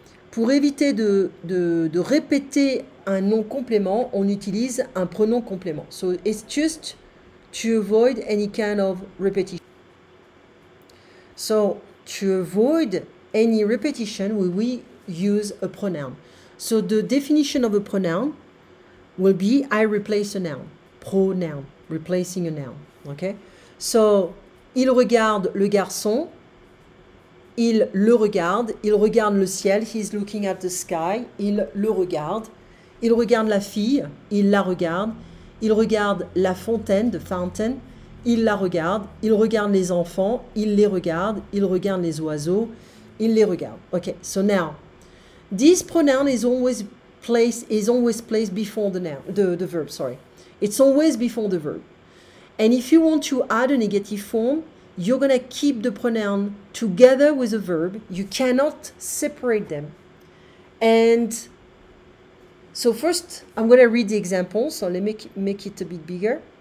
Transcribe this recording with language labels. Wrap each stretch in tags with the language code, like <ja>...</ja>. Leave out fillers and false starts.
<fr>Pour éviter de répéter un nom complément, on utilise un pronom complément.</fr> <en>So, it's just to avoid any kind of repetition. So, to avoid any repetition, we use a pronoun. So, the definition of a pronoun will be, I replace a noun. Pronoun, replacing a noun. Okay? So,</en> <fr>il regarde le garçon. Il le regarde. Il regarde le ciel.</fr> <en>He's looking at the sky.</en> <fr>Il le regarde. Il regarde la fille. Il la regarde. Il regarde la fontaine, the fountain. Il la regarde, il regarde les enfants, il les regarde, il regarde les oiseaux, il les regarde.</fr> <en>Okay, so now, this pronoun is always placed before the noun, the verb, sorry. It's always before the verb. And if you want to add a negative form, you're going to keep the pronoun together with a verb. You cannot separate them. And so first, I'm going to read the example, so let me make it a bit bigger.</en>